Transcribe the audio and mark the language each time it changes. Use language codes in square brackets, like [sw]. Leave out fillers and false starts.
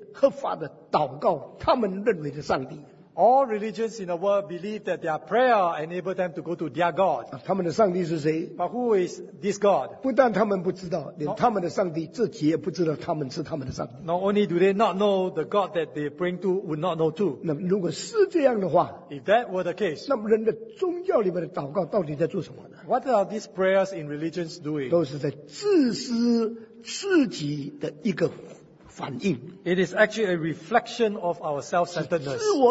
[zh] 全世界所有的宗教都自以为可以直接合法的祷告, 他们认为的上帝。 [en] All religions in the world believe that their prayer enable them to go to their God. [zh] 他们的上帝是谁? [en] But who is this God? [zh] 不但他们不知道, 连他们的上帝自己也不知道他们是他们的上帝。 [en] Not only do they not know the God that they pray to, would not know too. [zh] 那如果是这样的话, [en] if that were the case, [zh] 那么人的宗教里面的祷告到底在做什么呢? [en] What are these prayers in religions doing? [zh] 都是在自私自己的一个 [en] It is actually a reflection of our self-centeredness.